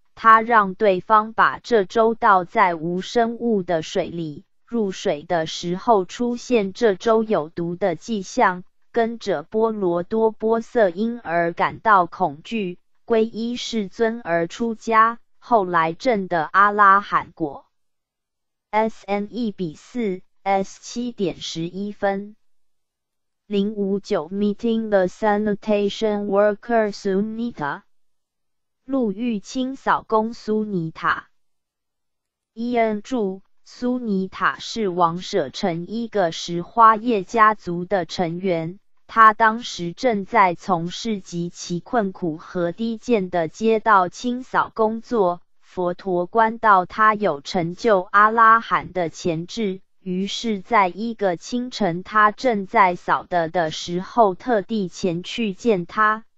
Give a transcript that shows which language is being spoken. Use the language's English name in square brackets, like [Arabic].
[Chinese] 他让对方把这粥倒在无生物的水里，入水的时候出现这粥有毒的迹象，耕者波罗多波瑟因而感到恐惧，皈依世尊而出家，后来证得阿拉罕果。 [English] SN 1:4:7.11 059 Meeting the Sanitation Worker Sunita， [Chinese] 路遇清扫工苏尼塔。伊恩注：苏尼塔是王舍城一个石花叶家族的成员，他当时正在从事极其困苦和低贱的街道清扫工作，佛陀观到他有成就阿拉罕的潜质，于是在一个清晨他正在扫地的时候特地前去见他。